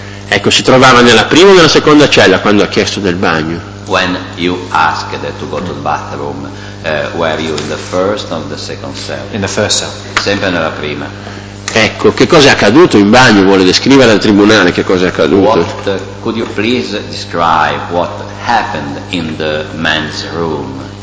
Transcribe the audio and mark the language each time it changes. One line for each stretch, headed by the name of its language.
Italian: Ecco, si trovava nella prima o nella seconda cella quando ha chiesto del bagno?
English: When you asked to go to the bathroom, were you in the first or the second cell? In the first cell.
Italian: Sempre nella prima. Ecco, che cosa è accaduto in bagno? Vuole descrivere al tribunale che cosa è accaduto?
English: Could you please describe what happened in the men's room?